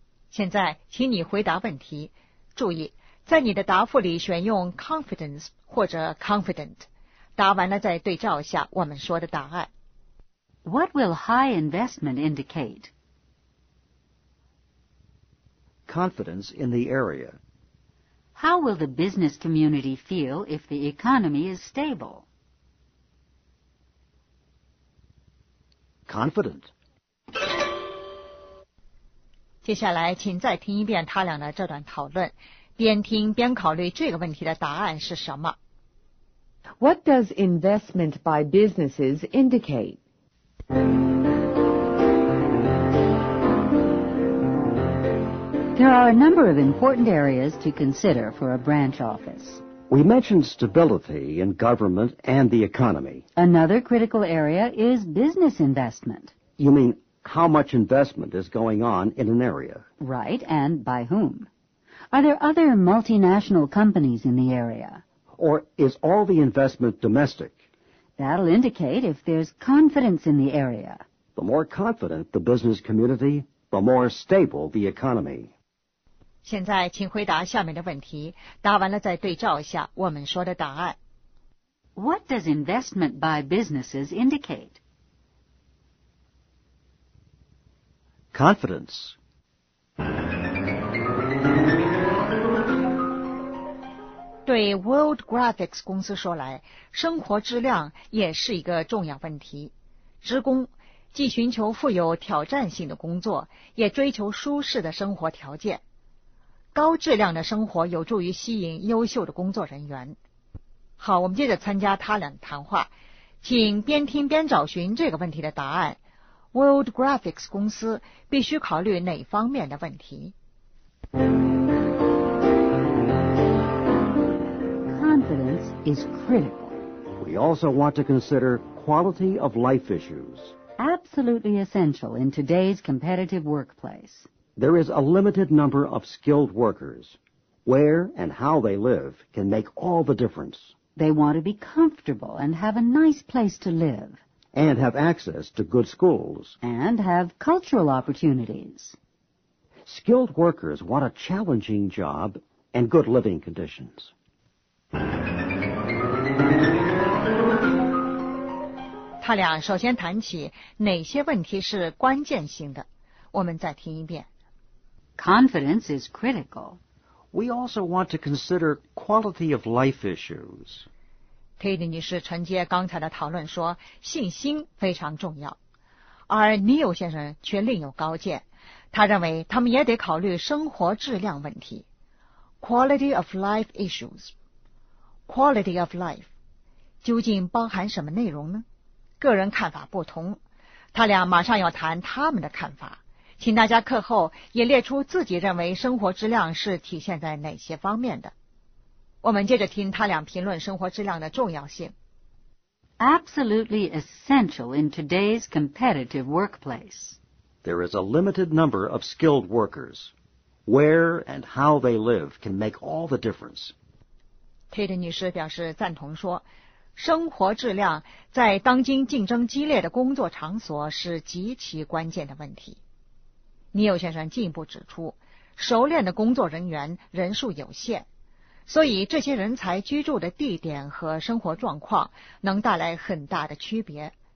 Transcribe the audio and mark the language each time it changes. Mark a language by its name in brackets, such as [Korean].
[Chinese] 现在请你回答问题，注意在你的答复里选用 confidence 或者 confident， 答完了再对照一下我们说的答案。 [English] What will high investment indicate? Confidence in the area. How will the business community feel if the economy is stable? Confident. [Chinese] 接下来请再听一遍他俩的这段讨论，边听边考虑这个问题的答案是什么。 [English] What does investment by businesses indicate? There are a number of important areas to consider for a branch office. We mentioned stability in government and the economy. Another critical area is business investment. You mean how much investment is going on in an area? Right, and by whom? Are there other multinational companies in the area? Or is all the investment domestic? That'll indicate if there's confidence in the area. The more confident the business community, the more stable the economy. [Chinese] 现在请回答下面的问题，答完了再对照一下我们说的答案。 [English] What does investment by businesses indicate? Confidence. [Chinese] 对 World Graphics 公司说来，生活质量也是一个重要问题。职工既寻求富有挑战性的工作，也追求舒适的生活条件。高质量的生活有助于吸引优秀的工作人员。好，我们接着参加他俩的谈话，请边听边找寻这个问题的答案。 World Graphics 公司必须考虑哪方面的问题 [English] ？Confidence is critical. We also want to consider quality of life issues. Absolutely essential in today's competitive workplace. There is a limited number of skilled workers. Where and how they live can make all the difference. They want to be comfortable and have a nice place to live. And have access to good schools. And have cultural opportunities. skilled workers want a challenging job and good living conditions. Confidence is critical. We also want to consider quality of life issues. [Chinese] Katie 女士承接刚才的讨论说，信心非常重要，而 Neil 先生却另有高见，他认为他们也得考虑生活质量问题。 [English] Quality of life issues. Quality of life [Chinese] 究竟包含什么内容呢？个人看法不同，他俩马上要谈他们的看法，请大家课后也列出自己认为生活质量是体现在哪些方面的。我们接着听他俩评论生活质量的重要性。 [English] Absolutely essential in today's competitive workplace. There is a limited number of skilled workers. Where and how they live can make all the difference. [Chinese] Tate 女士表示赞同说，生活质量在当今竞争激烈的工作场所是极其关键的问题。尼尔先生进一步指出，熟练的工作人员人数有限，所以这些人才居住的地点和生活状况能带来很大的区别。